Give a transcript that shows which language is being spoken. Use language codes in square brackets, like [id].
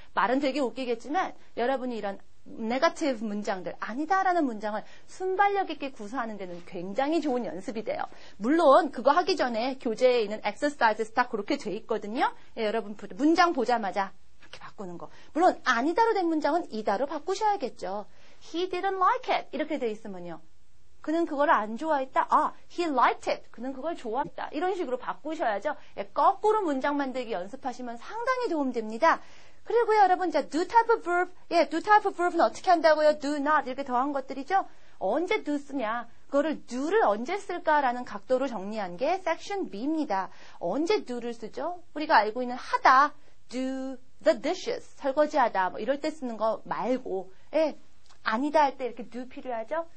[ko] 말은 되게 웃기겠지만 여러분이 이런 네거티브 문장들 아니다라는 문장을 순발력 있게 구사하는 데는 굉장히 좋은 연습이 돼요. 물론 그거 하기 전에 교재에 있는 엑서사이즈 다 그렇게 돼 있거든요. 예, 여러분 문장 보자마자 이렇게 바꾸는 거. 물론 아니다로 된 문장은 이다로 바꾸셔야겠죠. [en] He didn't like it [ko] 이렇게 돼 있으면요. 그는 그걸 안 좋아했다. 아, [en] he liked it. [ko] 그는 그걸 좋아했다. 이런 식으로 바꾸셔야죠. 예, 거꾸로 문장 만들기 연습하시면 상당히 도움됩니다. 그리고요 여러분 이제 do type of verb 예, do type of verb은 어떻게 한다고요? do not 이렇게 더한 것들이죠. 언제 do 쓰냐 그거를 do를 언제 쓸까라는 각도로 정리한 게 section B입니다. 언제 do를 쓰죠? 우리가 알고 있는 하다 do the dishes 설거지하다 뭐 이럴 때 쓰는 거 말고 예, 아니다 할 때 이렇게 do 필요하죠.